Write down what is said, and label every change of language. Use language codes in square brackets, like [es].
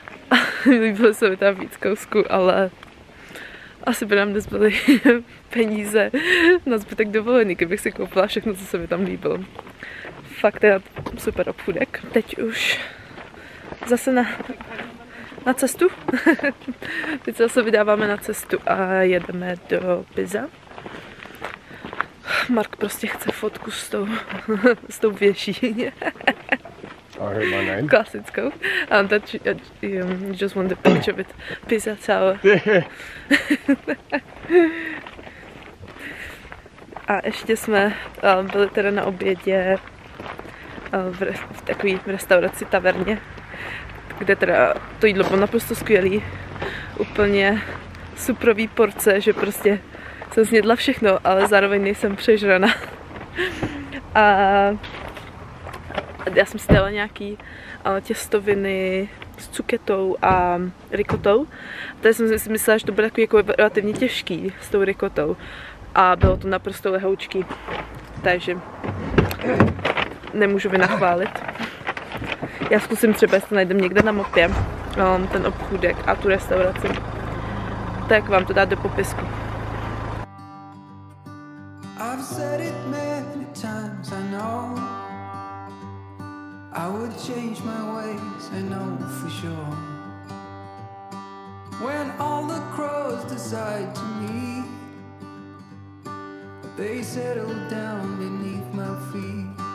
[cs] A líbilo se mi tam víc kousku, ale asi by nám nezbyly peníze na zbytek dovolený, kdybych si koupila všechno, co se mi tam líbilo. Fakt je super obchůdek. Teď už zase na cestu. Teď se zase vydáváme na cestu a jedeme do Pisa. Mark prostě chce fotku s tou, s tou věží. Klasickou. [en] And that you just want a picture with Pisa Tower. [cs] A ještě jsme byli teda na obědě v takové restauraci, taverně, kde teda to jídlo bylo naprosto skvělý. Úplně suprový porce, že prostě jsem snědla všechno, ale zároveň nejsem přežrana. A já jsem si dala nějaký těstoviny s cuketou a rikotou. Tady jsem si myslela, že to bude jako relativně těžký s tou rikotou. A bylo to naprosto lehoučký. Takže nemůžu vynachválit. Já zkusím třeba, jestli to najdem někde na mapě, ten obchůdek a tu restauraci. Tak vám to dát do popisku. [en] I've said it many times, I know. I would change my ways, I know for sure. When all the crows decide to meet, they settle down beneath my feet.